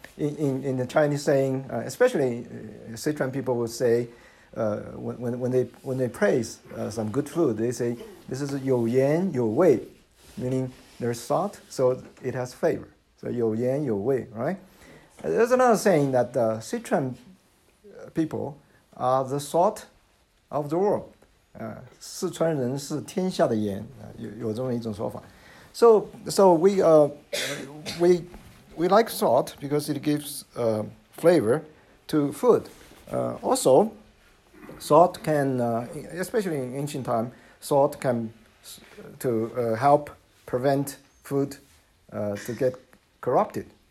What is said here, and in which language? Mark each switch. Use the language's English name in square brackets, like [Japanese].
[English] In the Chinese saying, especially Sichuan people will say when they praise some good food, they say this is [Chinese] you yan you wei, [English] meaning there's salt, so it has flavor. So [Chinese] you yan you wei, [English] right? There's another saying that the Sichuan people are the salt of the world. [Chinese] 四川人是天下的盐，有这么一种说法。 [English] So we like salt because it gives flavor to food. Also, salt can, especially in ancient time, salt can to help prevent food to get corrupted.